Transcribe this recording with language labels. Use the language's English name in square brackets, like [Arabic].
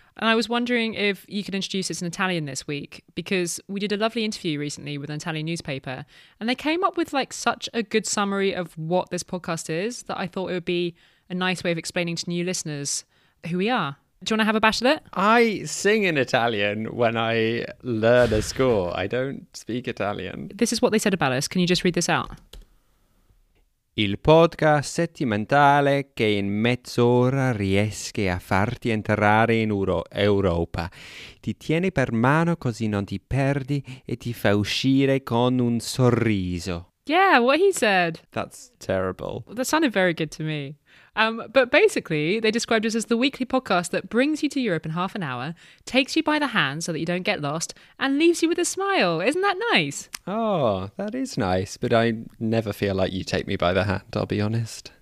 [English] And I was wondering if you could introduce us in Italian this week, because we did a lovely interview recently with an Italian newspaper, and they came up with like such a good summary of what this podcast is that I thought it would be a nice way of explaining to new listeners who we are. Do you want to have a bash at it? I sing in Italian when I learn a score. I don't speak Italian. This is what they said about us. Can you just read this out? [Italian] Il podcast settimanale che in mezz'ora riesce a farti entrare in Europa. Ti tiene per mano così non ti perdi e ti fa uscire con un sorriso. [English] Yeah, what he said. That's terrible. That sounded very good to me. But basically, they described us as the weekly podcast that brings you to Europe in half an hour, takes you by the hand so that you don't get lost, and leaves you with a smile. Isn't that nice? Oh, that is nice. But I never feel like you take me by the hand, I'll be honest.